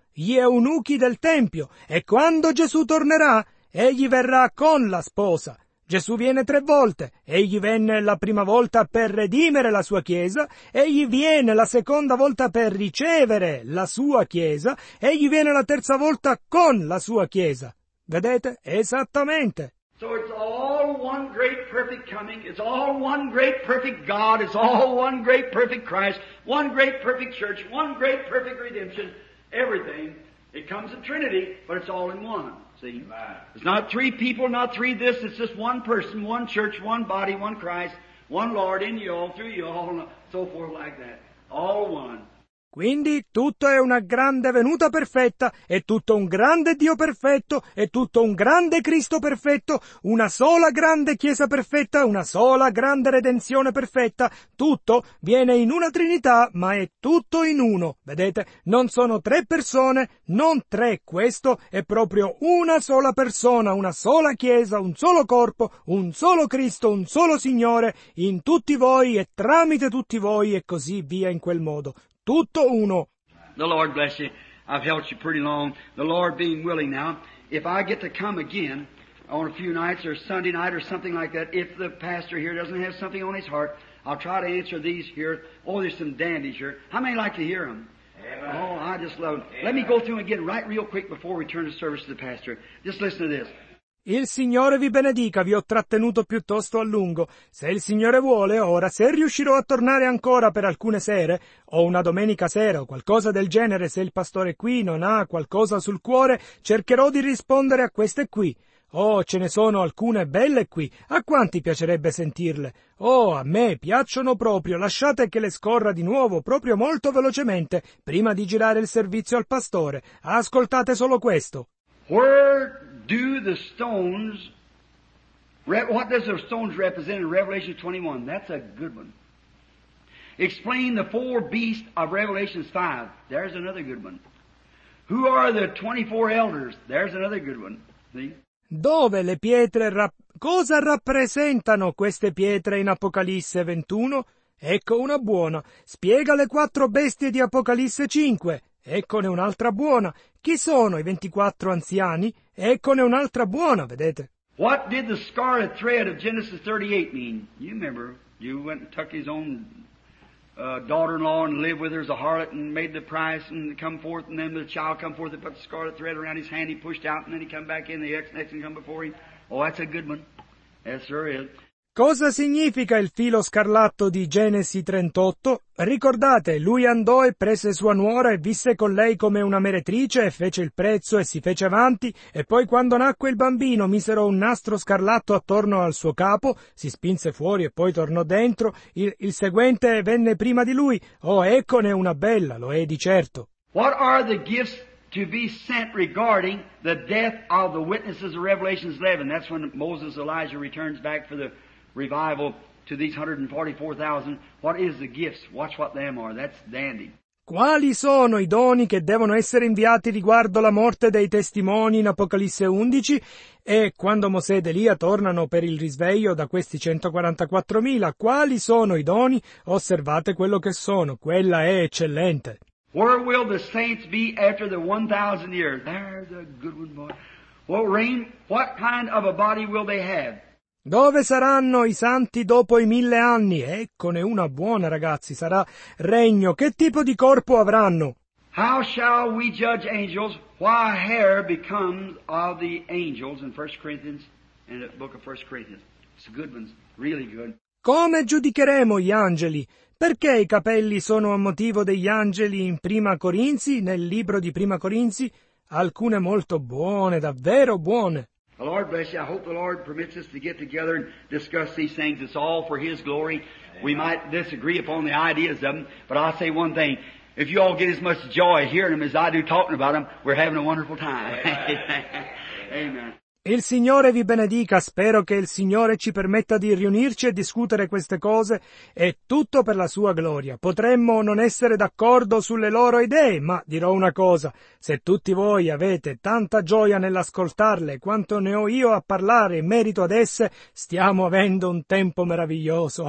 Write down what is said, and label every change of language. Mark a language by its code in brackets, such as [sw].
[it] Gli eunuchi del Tempio. E quando Gesù tornerà, egli verrà con la sposa. Gesù viene tre volte. Egli venne la prima volta per redimere la sua Chiesa. Egli viene la seconda volta per ricevere la sua Chiesa. Egli viene la terza volta con la sua Chiesa. Vedete? Esattamente. [en] So it's all one great perfect coming. It's all one great perfect God. It's all one great perfect Christ. One great perfect church. One great perfect redemption. Everything. It comes in Trinity, but it's all in one. It's not three people, not three this, it's just one person, one church, one body, one Christ, one Lord in you all, through you all, so forth like that. All one. [it] Quindi tutto è una grande venuta perfetta, è tutto un grande Dio perfetto, è tutto un grande Cristo perfetto, una sola grande Chiesa perfetta, una sola grande redenzione perfetta, tutto viene in una Trinità, ma è tutto in uno. Vedete, non sono tre persone, non tre, questo è proprio una sola persona, una sola Chiesa, un solo corpo, un solo Cristo, un solo Signore, in tutti voi e tramite tutti voi e così via in quel modo. Tutto uno. [en] The Lord bless you. I've helped you pretty long. The Lord being willing now, if I get to come again on a few nights or Sunday night or something like that, if the pastor here doesn't have something on his heart, I'll try to answer these here. Oh, there's some dandies here. How many like to hear them? Amen. Oh, I just love them. Amen. Let me go through them again right real quick before we turn the service to the pastor. Just listen to this. [it] Il Signore vi benedica, vi ho trattenuto piuttosto a lungo. Se il Signore vuole, ora, se riuscirò a tornare ancora per alcune sere, o una domenica sera, o qualcosa del genere, se il pastore qui non ha qualcosa sul cuore, cercherò di rispondere a queste qui. Oh, ce ne sono alcune belle qui. A quanti piacerebbe sentirle? Oh, a me piacciono proprio. Lasciate che le scorra di nuovo, proprio molto velocemente, prima di girare il servizio al pastore. Ascoltate solo questo. [en] Word. Do the stones, what does the stones represent in Revelation 21? That's a good one. Explain the four beasts of Revelation 5. There's another good one. Who are the 24 elders? There's another good one. See? [it] Dove le pietre, cosa rappresentano queste pietre in Apocalisse 21? Ecco una buona. Spiega le quattro bestie di Apocalisse 5. Eccone un'altra buona. Chi sono i 24 anziani? Eccone un'altra buona, vedete. [en] What did the scarlet thread of Genesis 38 mean? You remember, you went and took his own daughter-in-law and lived with her as a harlot and made the price and come forth and then the child come forth and put the scarlet thread around his hand, he pushed out and then he come back in, the ex and come before him. Oh, that's a good one. Yes, sir, it is. [it] Cosa significa il filo scarlatto di Genesi 38? Ricordate, lui andò e prese sua nuora e visse con lei come una meretrice e fece il prezzo e si fece avanti e poi quando nacque il bambino misero un nastro scarlatto attorno al suo capo, si spinse fuori e poi tornò dentro, il seguente venne prima di lui. Oh, eccone una bella, lo è di certo. [en] What are the gifts to be sent regarding the death of the witnesses of Revelation 11? That's when Moses Elijah returns back for the revival to these 144,000. What is the gifts? Watch what them are. That's dandy. [it] Quali sono i doni che devono essere inviati riguardo la morte dei testimoni in Apocalisse 11? E quando Mosè ed Elia tornano per il risveglio da questi 144,000, quali sono i doni? Osservate quello che sono. Quella è eccellente. [en] Where will the saints be after the 1,000 years? There's a good one, boy. Well, rain, what kind of a body will they have? [it] Dove saranno i santi dopo i 1,000 anni? Eccone una buona, ragazzi, sarà regno. Che tipo di corpo avranno? [en] How shall we judge angels? Why hair becomes of the angels in 1 Corinthians, in the book of 1 Corinthians. It's a good one, really good. [it] Come giudicheremo gli angeli? Perché i capelli sono a motivo degli angeli in Prima Corinzi, nel libro di Prima Corinzi? Alcune molto buone, davvero buone. A [en] Lord bless you. I hope the Lord permits us to get together and discuss these things. It's all for His glory. Amen. We might disagree upon the ideas of them, but I'll say one thing. If you all get as much joy hearing them as I do talking about them, we're having a wonderful time. Amen. Amen. [it] Il Signore vi benedica, spero che il Signore ci permetta di riunirci e discutere queste cose, è tutto per la sua gloria. Potremmo non essere d'accordo sulle loro idee, ma dirò una cosa, se tutti voi avete tanta gioia nell'ascoltarle quanto ne ho io a parlare in merito ad esse, stiamo avendo un tempo meraviglioso.